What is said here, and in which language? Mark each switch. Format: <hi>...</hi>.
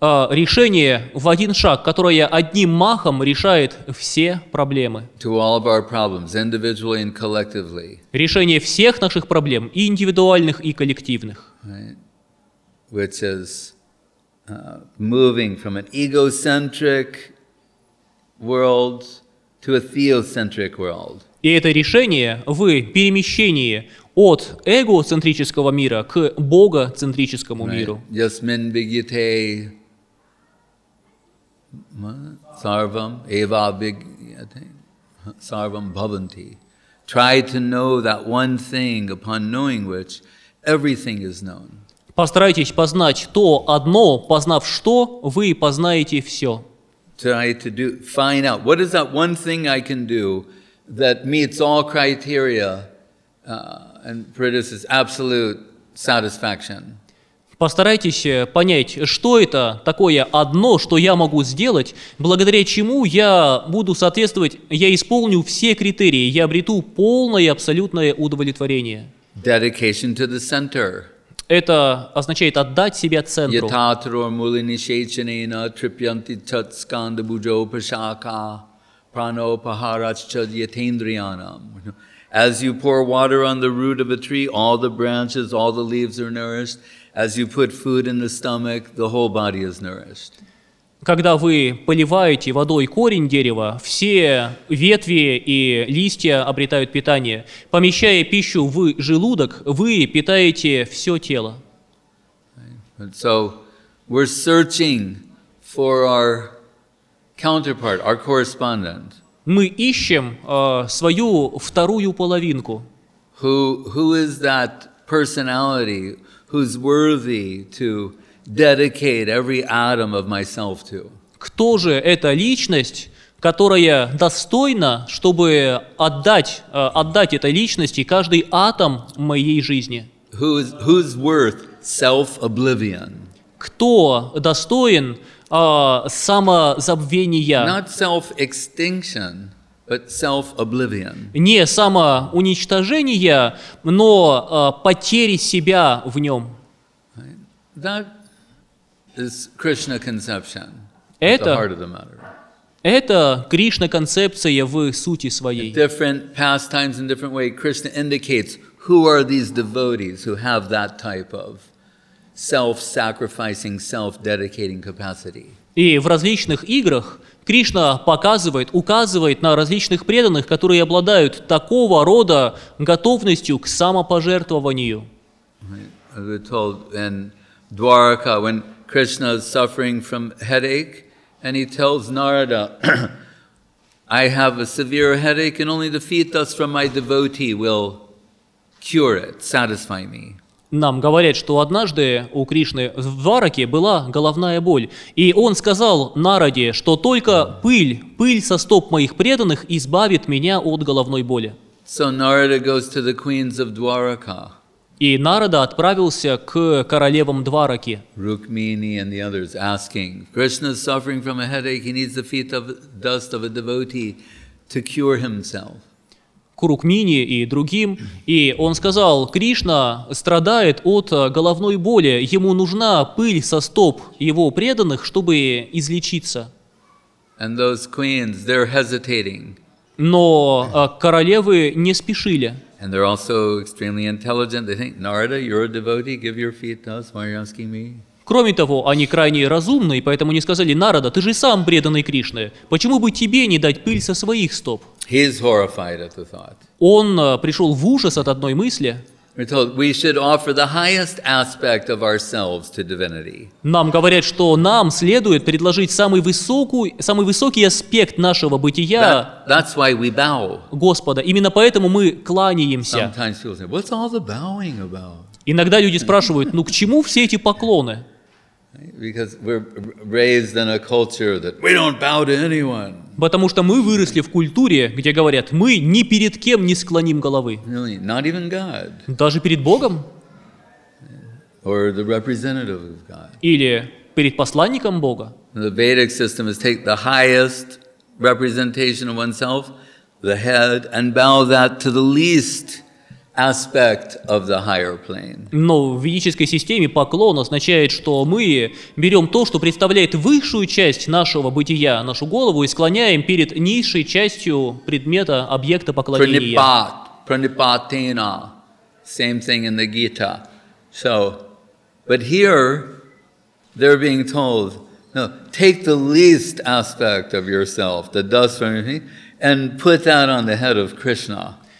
<ru>решение в один шаг, которое одним махом решает все проблемы.</ru> <en>To all of our problems, individually and collectively.</en> <ru>Решение всех наших проблем, и индивидуальных, и коллективных.</ru> <en>Right. Which is moving from an egocentric world to a theocentric world.</en> <ru>И это решение в перемещении от эгоцентрического мира к богоцентрическому миру.</ru> <sa>Ясмин бигите сарвам, эва бигите сарвам бхаванти.</sa> <en>Try to know that one thing, upon knowing which, everything is known.</en> <ru>Постарайтесь познать то одно, познав что, вы познаете все.</ru> <en>Try to do, find out, what is that one thing I can do that meets all criteria and produces absolute satisfaction.</en> <ru>Постарайтесь понять, что это такое одно, что я могу сделать, благодаря чему я буду соответствовать, я исполню все критерии, я обрету полное абсолютное удовлетворение.</ru> <en>Dedication to the center.</en> <ru>Это означает отдать себя центру.</ru> <sa>Yatatro muli nishechanena tripyanti chat skanda bujo pashaka. Prano paharachcha yatendriyanam.</sa> <en>As you pour water on the root of a tree, all the branches, all the leaves are nourished. As you put food in the stomach, the whole body is nourished.</en> <ru>Когда вы поливаете водой корень дерева, все ветви и листья обретают питание. Помещая пищу в желудок, вы питаете все тело.</ru> <en>So we're searching for our counterpart, our correspondent.</en> <ru>Мы ищем свою вторую половинку.</ru> <en>Who is that personality who's worthy to dedicate every atom of myself to?</en> <ru>Кто же эта личность, которая достойна, чтобы отдать этой личности каждый атом моей жизни?</ru> <en>Who's worth self-oblivion?</en> <ru>Кто достоин самозабвения?</ru> <en>Not self-extinction, but self-oblivion.</en> <ru>Не самоуничтожение, но потери себя в нем.</ru> <en>That is Krishna conception at the heart of the matter.</en> <ru>Это Кришна концепция в сути своей.</ru> <en>In different pastimes, in different ways, Krishna indicates who are these devotees who have that type of self-sacrificing, self-dedicating capacity.</en> <ru>И в различных играх Кришна показывает, указывает на различных преданных, которые обладают такого рода готовностью к самопожертвованию.</ru> <en>Right. We're told in Dwarka, when Krishna is suffering from headache, and he tells Narada, I have a severe headache, and only the feet thus from my devotee will cure it, satisfy me.</en> <ru>Нам говорят, что однажды у Кришны в Двараке была головная боль. И он сказал Нараде, что только пыль со стоп моих преданных избавит меня от головной боли.</ru> <en>So Narada goes to the queens of Dwaraka.</en> <ru>И Нарада отправился к королевам Двараки.</ru> <en>Rukmini and the others asking, Krishna is suffering from a headache, he needs the feet of dust of a devotee to cure himself.</en> <ru>К Рукмини и другим, и он сказал, Кришна страдает от головной боли, ему нужна пыль со стоп его преданных, чтобы излечиться.</ru> <en>And those queens, they're hesitating.</en> <ru>Но королевы не спешили.</ru> <en>And they're also extremely intelligent. They think, Narada, you're a devotee, give your feet to us, why are you asking me?</en> <ru>Кроме того, они крайне разумны, поэтому не сказали, Нарада, ты же сам преданный Кришне, почему бы тебе не дать пыль со своих стоп?</ru> <en>He is horrified at the thought.</en> <ru>Он пришел в ужас от одной мысли.</ru> <en>We're told we should offer the highest aspect of ourselves to divinity.</en> <ru>Нам говорят, что нам следует предложить самый высокий аспект нашего бытия.</ru> <en>That's why we bow.</en> <ru>Господа, именно поэтому мы кланяемся.</ru> <en>Sometimes people say, "What's all the bowing about?"</en> <ru>Иногда люди спрашивают, ну к чему все эти поклоны?</ru> <en>Because we're raised in a culture that we don't bow to anyone.</en> <ru>Потому что мы выросли в культуре, где говорят, мы ни перед кем не склоним головы.</ru> <en>Really? Not even God.</en> <ru>Даже перед Богом?</ru> <en>Or the representative of God.</en> <ru>Или перед посланником Бога?</ru> <en>The Vedic system is take the highest representation of oneself, the head, and bow that to the least aspect of the higher plane.</en> <ru>Но в ведической системе поклон означает, что мы берем то, что представляет высшую часть нашего бытия, нашу голову, и склоняем перед низшей частью предмета, объекта поклонения.</ru> <sa>Pranipat, pranipatena,</sa> <en>same thing in the Gita. So, but here they're being told, no, take the least aspect of yourself, the dust from your feet, and put that on the head of Krishna.</en>